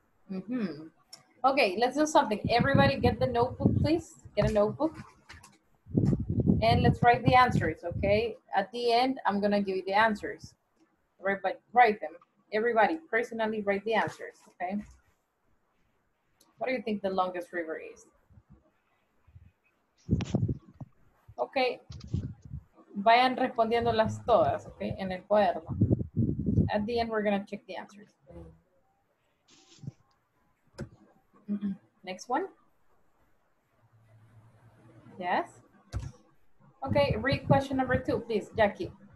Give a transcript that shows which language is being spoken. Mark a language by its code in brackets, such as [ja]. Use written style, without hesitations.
[en] Mm-hmm. Okay, let's do something. Everybody get the notebook, please. Get a notebook. And let's write the answers, okay? At the end, I'm gonna give you the answers. Everybody, write them. Everybody, personally write the answers, okay? What do you think the longest river is? [es] Okay, vayan respondiendo las todas, okay, en el cuaderno. [en] At the end, we're gonna check the answers. Next one. Yes. Okay, read question number two, please, Jackie.